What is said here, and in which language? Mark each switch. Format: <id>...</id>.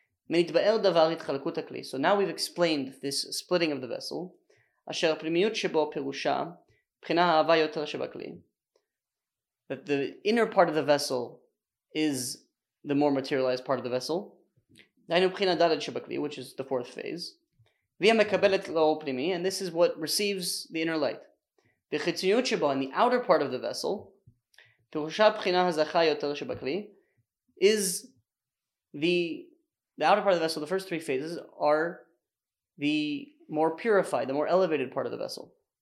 <he>מנתבאר דבר התחלקות הכלי.</he> <en>So now we've explained this splitting of the vessel,</en> <he>אשר הפנימיות שבו פירושה בחינה האהבה יותר שבכלי.</he> <en>That the inner part of the vessel is the more materialized part of the vessel.</en> <he>דהיינו בחינה דלת שבכלי,</he> <en>which is the fourth phase,</en> <he>והיא המקבלת לאור פנימי,</he> <en>and this is what receives the inner light.</en> <he>וחיצוניות שבו,</he> <en>in the outer part of the vessel,</en> <he>פירושה בחינה הזכה יותר שבכלי,</he> <en>is the outer part of the vessel, the first three phases, are the more purified, the more elevated part of the vessel.</en>